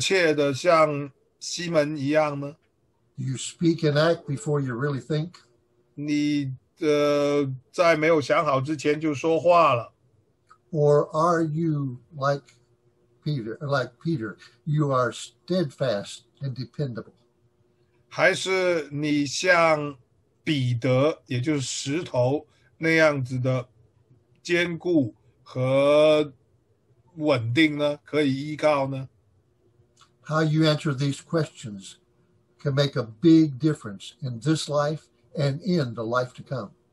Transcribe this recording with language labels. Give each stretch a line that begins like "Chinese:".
Chinese: 你有没有鲁莽、冲动，或者过于热切的像西门一样呢？
English: You speak and act before you really think.
Chinese: 你。在没有想好之前就说话了。Or
English: are you like Peter? Like Peter, you are steadfast and dependable.
Chinese: 还是你像彼得，也就是石头那样子的坚固和稳定呢？可以依靠呢？
English: How you answer these questions can make a big difference in this life and in the life to come.